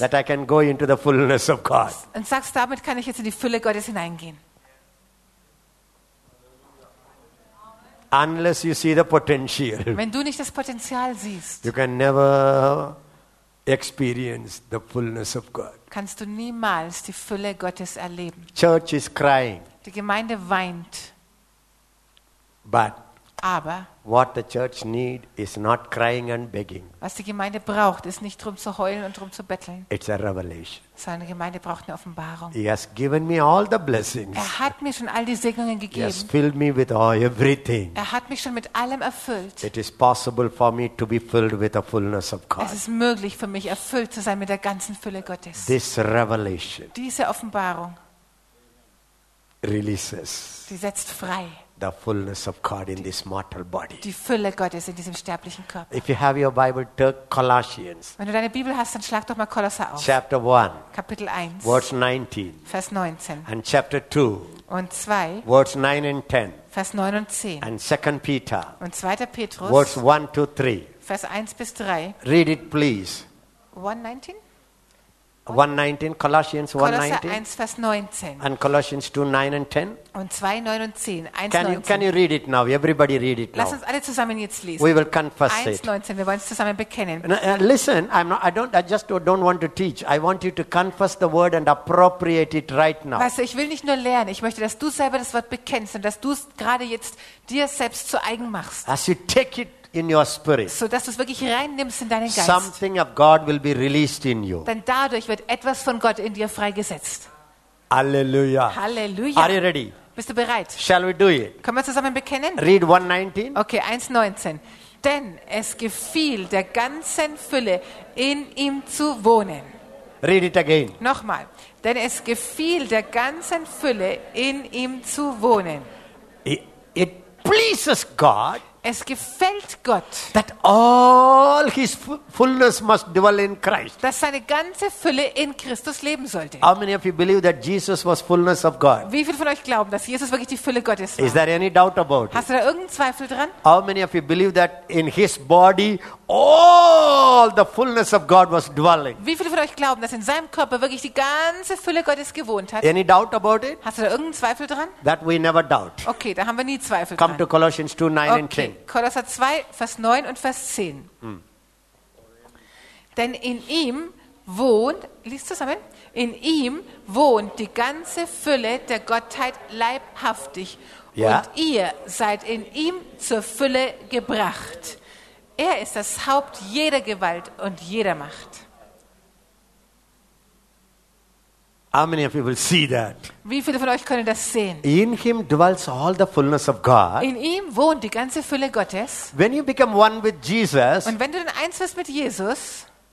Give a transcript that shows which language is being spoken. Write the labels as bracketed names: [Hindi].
[English] That I can go into the fullness of God. [German] Und sagst, damit kann ich jetzt in die Fülle Gottes hineingehen. [English] Unless you see the potential. [German] Wenn du nicht das Potenzial siehst. [English] You can never experience the fullness of God. [German] Kannst du niemals die Fülle Gottes erleben. [English] Church is crying. [German] Die Gemeinde weint. [English] But [German] Aber [English] what the church need is not crying and begging. [German] Was die Gemeinde braucht, ist nicht drum zu heulen und drum zu betteln. [English] It's a revelation. [German] Seine Gemeinde braucht eine Offenbarung. [English] He has given me all the blessings. [German] Er hat mir schon all die Segnungen gegeben. [English] He has filled me with everything. [German] Er hat mich schon mit allem erfüllt. [English] It is possible for me to be filled with the fullness of God. [German] Es ist möglich für mich, erfüllt zu sein mit der ganzen Fülle Gottes. [English] This revelation. [German] Diese Offenbarung. [English] Releases. [German] Sie setzt frei. [English] The fullness of God in this mortal body. [German] Die Fülle Gottes in diesem sterblichen Körper. [English] If you have your Bible, turn Colossians. [German] Wenn du deine Bibel hast, dann schlag doch mal Kolosser auf. [English] Chapter 1. [German] Kapitel 1. [English] Verse 19. [German] Vers 19. [English] And chapter 2. [German] Und 2. [English] Verse 9 and 10. [German] Vers 9 und 10. [English] And 2 Peter. [German] Und 2. Petrus. [English] Verse 1 to 3. [German] Vers 1 bis 3. [English] Read it please. 119. 119, Colossians [German] 119. 1, Vers 19. [English] And Colossians 2, 9 and 10. [German] Und 2, 9 und 10. 1, [English] can, 19. You, can you read it now? Everybody read it now. [German] Lass uns alle zusammen jetzt lesen. [English] We will confess 1, 19. It. [German] Wir wollen es zusammen bekennen. [English] Listen, I just don't want to teach. I want you to confess the word and appropriate it right now. [German] Weißt du, ich will nicht nur lernen. Ich möchte, dass du selber das Wort bekennst und dass du es gerade jetzt dir selbst zu eigen machst. [English] As you take it in your spirit. [German] So dass du es wirklich reinnimmst in deinen Geist. [English] Something of God will be released in you. [German] Denn dadurch wird etwas von Gott in dir freigesetzt. Halleluja. Halleluja. [English] Are you ready? [German] Bist du bereit? [English] Shall we do it? [German] Können wir zusammen bekennen? [English] Read 119. Okay, 119. [German] Denn es gefiel der ganzen Fülle, in ihm zu wohnen. [English] Read it again. [German] Nochmal. Denn es gefiel der ganzen Fülle, in ihm zu wohnen. [English] It pleases God. [German] Es gefällt Gott, [English] that all his fullness must dwell in Christ. [German] Dass seine ganze Fülle in Christus leben sollte. [English] How many of you believe that Jesus was fullness of God? [German] Wie viele von euch glauben, dass Jesus wirklich die Fülle Gottes war? [English] Is there any doubt about it? [German] Hast du da irgendeinen Zweifel dran? [English] How many of you believe that in his body all the fullness of God was dwelling? [German] Wie viele von euch glauben, dass in seinem Körper wirklich die ganze Fülle Gottes gewohnt hat? [English] Any doubt about it? [German] Hast du da irgendeinen Zweifel dran? [English] That we never doubt. [German] Okay, da haben wir nie Zweifel [English] Come [German] dran. [English] To Colossians 2, 9 okay. and 10. [German] Kolosser 2, Vers 9 und Vers 10. Denn in ihm wohnt, liest zusammen, in ihm wohnt die ganze Fülle der Gottheit leibhaftig. [English] Yeah. [German] Und ihr seid in ihm zur Fülle gebracht. Er ist das Haupt jeder Gewalt und jeder Macht. [English] How many of you will see that? [German] Wie viele von euch können das sehen? [English] In him dwells all the fullness of God. [German] In ihm wohnt die ganze Fülle Gottes. [English] When you become one with Jesus. [German] Und wenn du dann eins wirst mit Jesus.